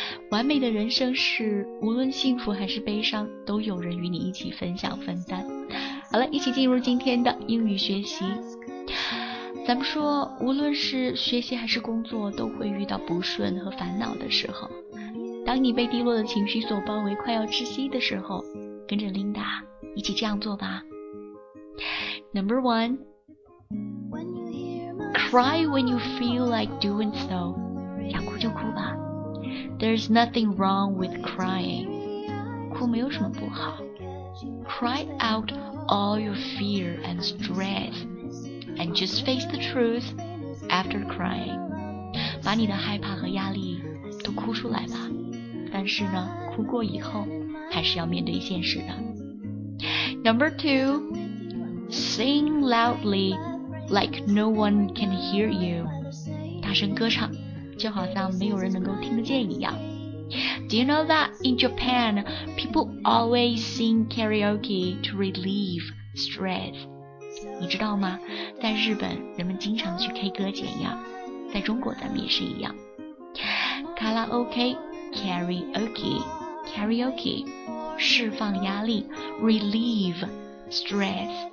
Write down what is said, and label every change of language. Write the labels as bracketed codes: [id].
[zh] 完美的人生是无论幸福还是悲伤都有人与你一起分享分担。好了，一起进入今天的英语学习。咱们说无论是学习还是工作都会遇到不顺和烦恼的时候，当你被低落的情绪所包围快要窒息的时候，跟着 Linda 一起这样做吧。 [en] Number one, cry when you feel like doing so. [zh] 想哭就哭吧。 [en] There's nothing wrong with crying. [zh] 哭没有什么不好。 [en] Cry out all your fear and stress and just face the truth after crying. [zh] 把你的害怕和压力都哭出来吧。但是呢，哭过以后还是要面对现实的。 [en] Number two, sing loudly like no one can hear you. [zh] 大声歌唱，就好像没有人能够听得见一样。 [en] Do you know that in Japan, people always sing karaoke to relieve stress? [zh] 你知道吗？在日本，人们经常去 K 歌减压，在中国咱们也是一样。卡拉 OK, karaoke, 释放压力 , [en] relieve stress.